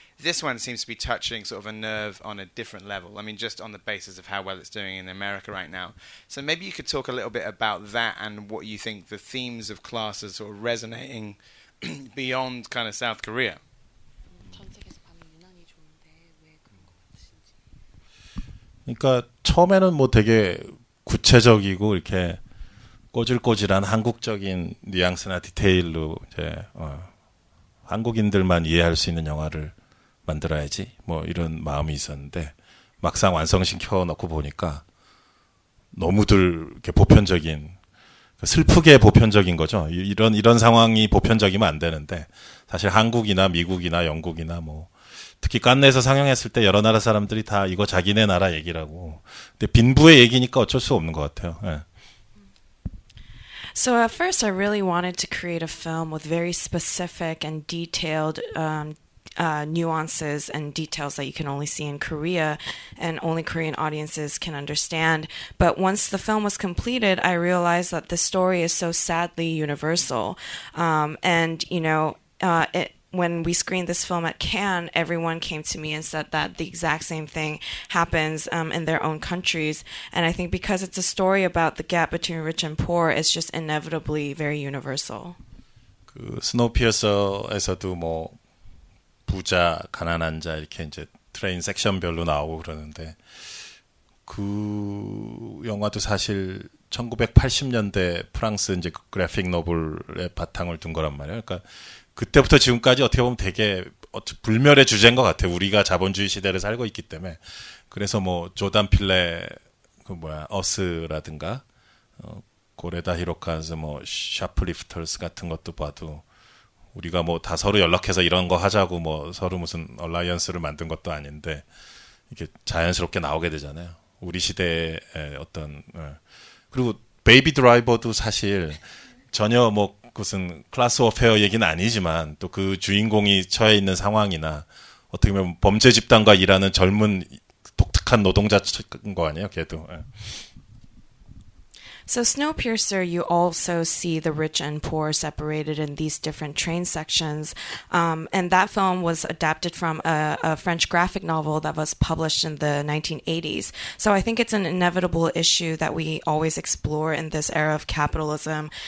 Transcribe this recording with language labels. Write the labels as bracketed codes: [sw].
[en] This one seems to be touching sort of a nerve on a different level. I mean, just on the basis of how well it's doing in America right now. So maybe you could talk a little bit about that and what you think the themes of class are sort of resonating beyond kind of South Korea. [ko] 그러니까 처음에는 뭐 되게 구체적이고 이렇게 꼬질꼬질한 한국적인 뉘앙스나 디테일로 이제 한국인들만 이해할 수 있는 영화를 만들어야지 뭐 이런 마음이 있었는데 막상 완성시켜 놓고 보니까 너무들 이렇게 보편적인 슬프게 보편적인 거죠. 이런 상황이 보편적이면 안 되는데 사실 한국이나 미국이나 영국이나 뭐 특히 깐네에서 상영했을 때 여러 나라 사람들이 다 이거 자기네 나라 얘기라고. 근데 빈부의 얘기니까 어쩔 수 없는 것 같아요. 네. [en] So at first I really wanted to create a film with very specific and detailed nuances and details that you can only see in Korea and only Korean audiences can understand. But once the film was completed, I realized that the story is so sadly universal. And, you know, it when we screened this film at Cannes, everyone came to me and said that the exact same thing happens in their own countries. And I think because it's a story about the gap between rich and poor, it's just inevitably very universal. [ko] 그 스노우피어서에서도 뭐 부자, 가난한 자 이렇게 이제 트레인 섹션별로 나오고 그러는데 그 영화도 사실 1980년대 프랑스 이제 그래픽 노블의 바탕을 둔 거란 말이에요. 그러니까 그때부터 지금까지 어떻게 보면 되게 불멸의 주제인 것 같아요. 우리가 자본주의 시대를 살고 있기 때문에. 그래서 뭐 조단 필레 그 뭐야 어스라든가 고레다 히로카즈 뭐 샤플리프터스 같은 것도 봐도 우리가 뭐 다 서로 연락해서 이런 거 하자고 뭐 서로 무슨 얼라이언스를 만든 것도 아닌데 이렇게 자연스럽게 나오게 되잖아요. 우리 시대의 어떤 그리고 베이비 드라이버도 사실 전혀 뭐 무슨 클래스 워페어 얘기는 아니지만 또 그 주인공이 처해 있는 상황이나 어떻게 보면 범죄 집단과 일하는 젊은 독특한 노동자인 거 아니에요, 걔도. [en] So Snowpiercer, you also see the rich and poor separated in these different train sections. And that film was adapted from a French graphic novel that was published in the 1980s. So I think it's an inevitable issue that we always explore in this era of capitalism.